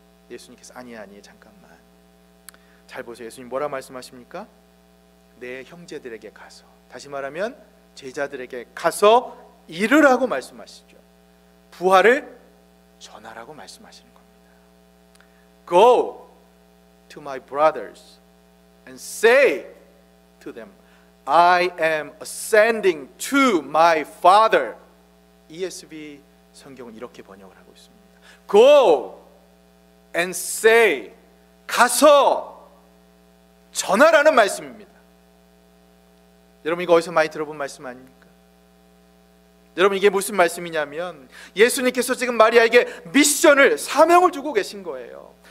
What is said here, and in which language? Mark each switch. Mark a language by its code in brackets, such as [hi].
[ko] 예수님께서 아니 잠깐만 잘 보세요. 예수님 뭐라 말씀하십니까? 내 형제들에게 가서 다시 말하면 제자들에게 가서 이르라고 말씀하시죠. 부활을 전하라고 말씀하시는 겁니다. [en] Go! to my brothers and say to them, I am ascending to my Father. [ko] ESV 성경은 이렇게 번역을 하고 있습니다. [en] Go and say, [ko] 가서 전하라는 말씀입니다. 여러분 이거 어디서 많이 들어본 말씀 아닙니까? 여러분 이게 무슨 말씀이냐면 예수님께서 지금 마리아에게 미션을, 사명을 주고 계신 거예요.